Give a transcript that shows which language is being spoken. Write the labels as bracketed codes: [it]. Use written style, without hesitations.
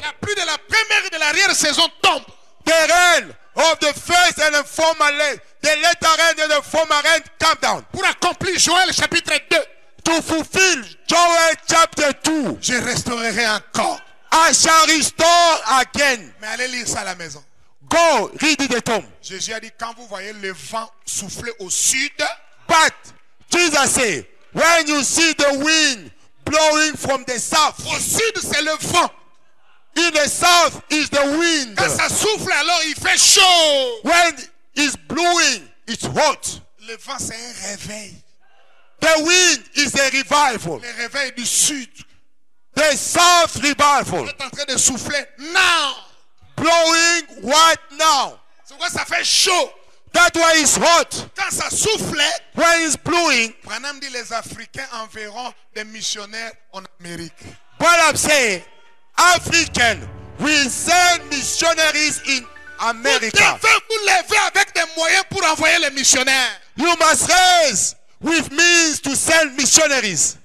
[fr] la pluie de la première et de l'arrière saison tombe. [en] The rain of the first and the former rain, the latter rain and the former rain come down. [fr] Pour accomplir Joël chapitre 2, [en] to fulfill Joel chapter 2, [fr] je restaurerai encore. [en] I shall restore again. [fr] Mais allez lire ça à la maison. [en] Go read it at home. [fr] Jésus a dit quand vous voyez le vent souffler au sud. [en] But Jesus said, when you see the wind blowing from the south. [fr] Au sud c'est le vent. [en] In the south is the wind. [fr] Quand ça souffle alors il fait chaud. [en] When it's blowing, it's hot. [fr] Le vent c'est un réveil. [en] The wind is a revival. [fr] Le réveil du sud. [en] The south revival. [fr] Il est en train de souffler now. [en] Blowing right now. [fr] C'est quoi ça fait chaud? [en] That why it's hot. [fr] Quand ça souffle. [en] When it's blowing. [fr] Branham dit les Africains enverront des missionnaires en Amérique. [en] What I'm saying, Africans will send missionaries in America. [fr] Vous devez vous lever avec des moyens pour envoyer les missionnaires. [en] You must raise with means to send missionaries.